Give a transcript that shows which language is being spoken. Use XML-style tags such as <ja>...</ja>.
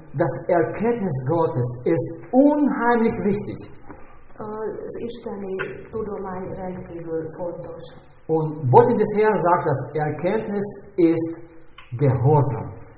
<de>Das Erkenntnis Gottes ist unheimlich wichtig.</de> <hu>Az isteni tudomány rendkívül fontos.</hu> <de>Und Gott des Herrn sagt, dass Erkenntnis ist Gehorsam.</de>